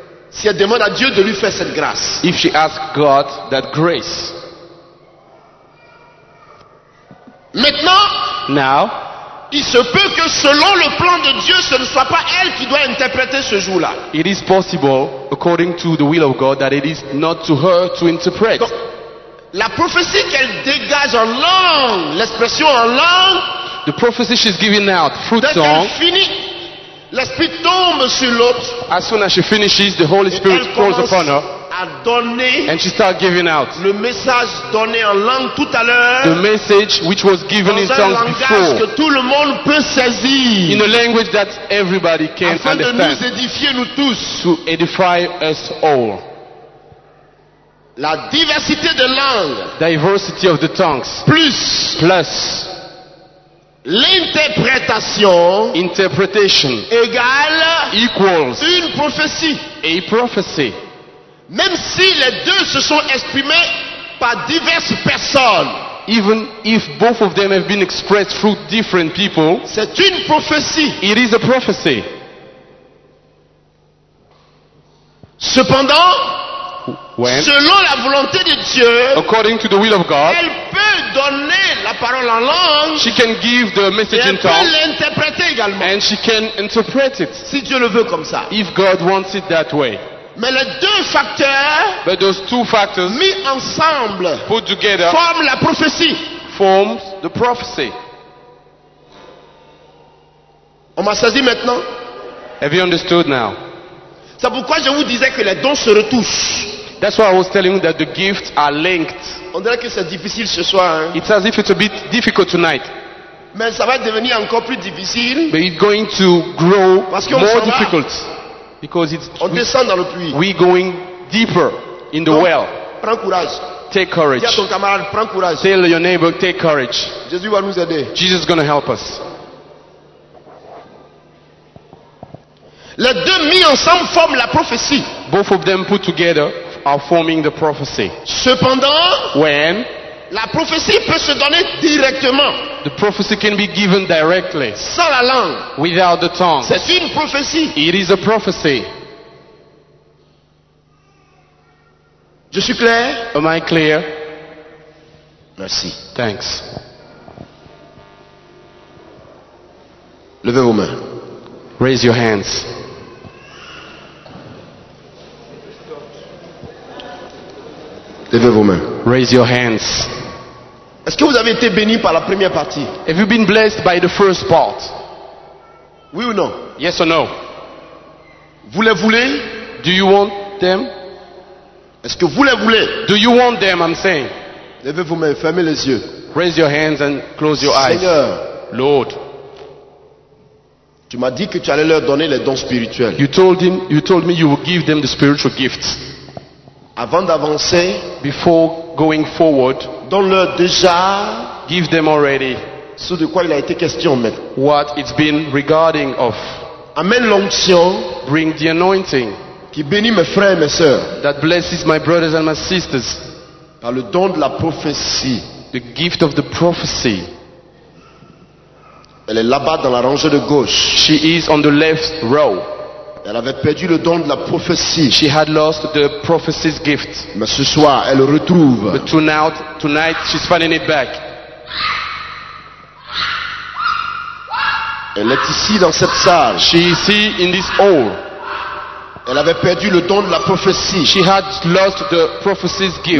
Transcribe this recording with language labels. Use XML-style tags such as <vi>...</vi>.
<fr>Si elle demande à Dieu de lui faire cette grâce.</fr> <en>If she asks God that grace.</en> <fr>Maintenant.</fr> <en>Now.</en> <fr>Il se peut que selon le plan de Dieu, ce ne soit pas elle qui doit interpréter ce jour-là.</fr> <en>It is possible, according to the will of God, that it is not to her to interpret.</en> <fr>Donc, la prophétie qu'elle dégage en langue, l'expression en langue.</fr> <en>The prophecy she's giving out through tongue.</en> <fr>L'esprit tombe sur l'autre.</fr> <en>As soon as she finishes, the Holy Spirit falls upon her.</en> <fr>À donner,</fr> <en>and she starts giving out.</en> <fr>Le message donné en langue tout à l'heure.</fr> <en>The message which was given in tongues before.</en> <fr>Que tout le monde peut saisir.</fr> <en>In a language that everybody can</en> <fr>afin</fr> <en>understand.</en> <fr>Afin de nous édifier nous tous.</fr> <en>To edify us all.</en> <fr>La diversité de langues.</fr> <en>Diversity of the tongues.</en> <fr>Plus. L'interprétation</fr> <en>interpretation</en> <fr>égale</fr> <en>equals</en> <fr>une prophétie</fr> <en>a prophecy.</en> <fr>Même si les deux se sont exprimés par diverses personnes,</fr> <en>even if both of them have been expressed through different people,</en> <fr>c'est une prophétie.</fr> <en>It is a prophecy.</en> <fr>Cependant,</fr> <en>when,</en> <fr>selon la volonté de Dieu,</fr> <en>according to the will of God,</en> <fr>elle peut donner la parole en langue,</fr> <en>she can give the message in tongues,</en> <fr>elle peut l'interpréter également,</fr> <en>and she can interpret it,</en> <fr>si Dieu le veut comme ça,</fr> <en>if God wants it that way.</en> <fr>Mais les deux facteurs,</fr> <en>but those two factors,</en> <fr>mis ensemble,</fr> <en>put together,</en> <fr>forment la prophétie,</fr> <en>forms the prophecy.</en> <fr>On m'a saisi maintenant?</fr> <en>Have you understood now?</en> <fr>C'est pourquoi je vous disais que les dons se retouchent.</fr> <en>That's why I was telling you that the gifts are linked.</en> <fr>On dirait que c'est difficile ce soir. Hein?</fr> <en>It's as if it's a bit difficult tonight.</en> <fr>Mais ça va devenir encore plus difficile.</fr> <en>But it's going to grow</en> <fr>parce qu'on</fr> <en>more difficult. Because it's,</en> <fr>on descend dans le puits.</fr> <en>We're going deeper in the</en> <fr>donc,</fr> <en>well.</en> <fr>Prends courage.</fr> <en>Take courage.</en> <fr>Dis à ton camarade, prends courage.</fr> <en>Tell your neighbor, take courage.</en> <fr>Jésus va nous aider.</fr> <en>Jesus is going to help us.</en> <fr>Les deux mis ensemble forment la prophétie.</fr> <en>Both of them put together are forming the prophecy.</en> <fr>Cependant,</fr> <en>when</en> <fr>la prophétie peut se donner directement,</fr> <en>the prophecy can be given directly,</en> <fr>sans la langue,</fr> <en>without the tongue.</en> <fr>C'est une prophétie.</fr> <en>It is a prophecy.</en> <fr>Je suis clair?</fr> <en>Am I clear?</en> <fr>Merci.</fr> <en>Thanks.</en> <fr>Levez vos mains.</fr> <en>Raise your hands.</en> <fr>Levez vos mains.</fr> <en>Raise your hands.</en> <fr>Est-ce que vous avez été béni par la première partie?</fr> <en>Have you been blessed by the first part?</en> <fr>Oui ou non?</fr> <en>Yes or no?</en> <fr>Vous les voulez?</fr> <en>Do you want them?</en> <fr>Est-ce que vous les voulez?</fr> <en>Do you want them? I'm saying.</en> <fr>Levez vos mains, fermez les yeux.</fr> <en>Raise your hands and close your</en> <fr>Seigneur,</fr> <en>eyes.</en> <fr>Seigneur,</fr> <en>Lord,</en> <fr>tu m'as dit que tu allais leur donner les dons spirituels.</fr> <en>You told me you will give them the spiritual gifts.</en> <fr>Avant d'avancer,</fr> <en>before going forward,</en> <fr>donne-leur déjà,</fr> <en>give them already,</en> <fr>ce de quoi il a été question maintenant,</fr> <en>what it's been regarding of,</en> <fr>amène l'onction,</fr> <en>bring the anointing,</en> <fr>qui bénit mes frères et mes sœurs,</fr> <en>that blesses my brothers and my sisters,</en> <fr>par le don de la prophétie,</fr> <en>the gift of the prophecy.</en> <fr>Elle est là-bas dans la rangée de gauche,</fr> <en>she is on the left row.</en> <fr>Elle avait perdu le don de la prophétie.</fr> <en>She had lost the prophecy's gift.</en> <fr>Mais ce soir, elle le retrouve.</fr> <en>But tonight, she's finding it back.</en> <fr>Elle est ici dans cette salle.</fr> <en>She is here in this hall.</en> <fr>Elle avait perdu le don de la prophétie.</fr> <en>She had lost the prophecy's gift.</en>